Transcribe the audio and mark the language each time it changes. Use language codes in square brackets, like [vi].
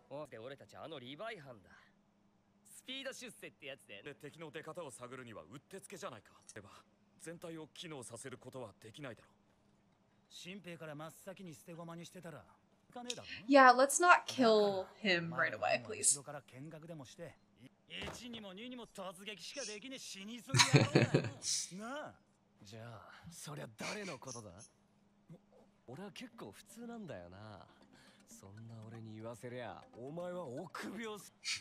[ja] で俺たちあのリヴァイ班だ。スピード出世ってやつで。敵の出方を探るにはうってつけじゃないか。では全体を機能させることはできないだろう。新兵から真っ先に捨て駒にしてたら。いかねえだろ。 [en] Yeah, let's not kill him right away, please. [ja] 後ろから見学でもして。一にも二にも突撃しかできねえ死にそうな。なあ。じゃあそりゃ誰のことだ。俺は結構普通なんだよな。そんな俺に言わせりゃ、お前は臆病す。